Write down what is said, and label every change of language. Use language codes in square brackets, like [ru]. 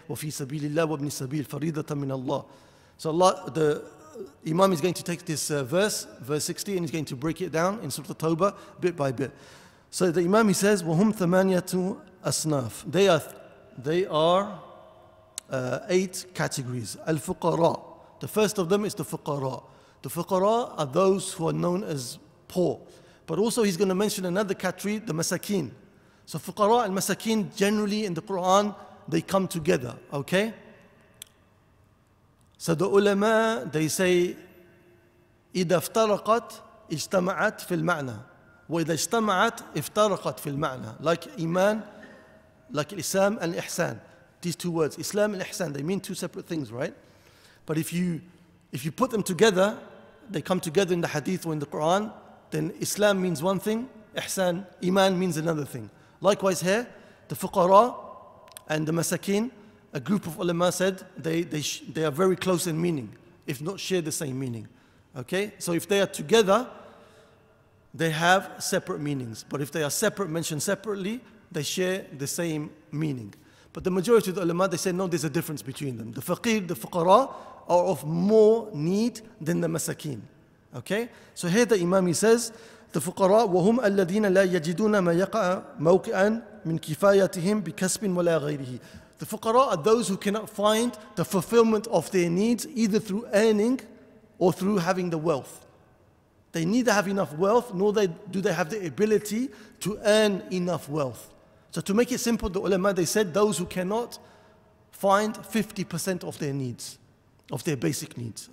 [ar] وفي سبيل الله وابن السبيل فريضة من الله. [en] So Allah, the Imam is going to take this verse 60, and he's going to break it down in Surah At-Tawbah bit by bit. So the Imam, he says, [ar] وهم ثمانية أصناف. [en] They are eight categories. [ar] الفقراء. [en] The first of them is the فقراء. The فقراء are those who are known as poor. But also he's going to mention another category, the مساكين. So fuqara and masakin, generally in the Quran, they come together, okay? So the ulama, they say, [ar] إِذَا افْتَرَقَتْ اِجْتَمَعَتْ فِي الْمَعْنَى وَإِذَا اجْتَمَعَتْ افْتَرَقَتْ فِي الْمَعْنَى. [en] Like iman, like Islam and ihsan. These two words, Islam and ihsan, they mean two separate things, right? But if you put them together, they come together in the hadith or in the Quran, then Islam means one thing, ihsan, iman means another thing. Likewise here, the fuqara and the masakin, a group of ulama said, they are very close in meaning, if not share the same meaning. Okay, so if they are together, they have separate meanings. But if they are separate, mentioned separately, they share the same meaning. But the majority of the ulama, they say, no, there's a difference between them. The faqir, the fuqara, are of more need than the masakin. Okay, so here the imam, he says, the fuqara [ar] وهم الذين لا يجدون ما يقع موقعا من كفايتهم بكسب ولا غيره. [en] The fuqara are those who cannot find the fulfillment of their needs either through earning or through having the wealth. They neither have enough wealth nor do they have the ability to earn enough wealth. So to make it simple, the ulama, they said those who cannot find 50% of their needs. Of their basic needs.